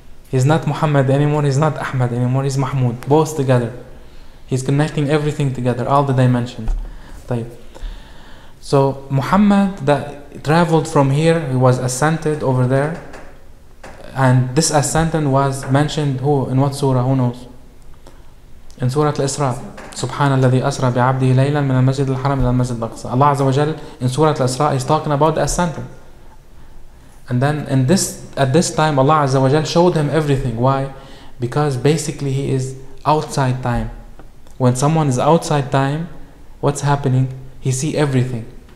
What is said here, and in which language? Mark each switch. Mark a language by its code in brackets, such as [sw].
[en] He's not Muhammad anymore, he's not Ahmad anymore, he's Mahmud. Both together. He's connecting everything together, all the dimensions. طيب. So Muhammad that traveled from here, he was ascended over there, and this ascendant was mentioned who in what surah? Who knows? In Surah Al-Isra. [ar] سبحان الذي أسرى بعبده ليلا من المسجد الحرام إلى المسجد الأقصى. [en] Allah Azza wa Jal in Surah Al-Isra is talking about the ascendant. And then in this at this time Allah Azza wa Jal showed him everything. Why? Because basically he is outside time. When someone is outside time, what's happening? He see everything.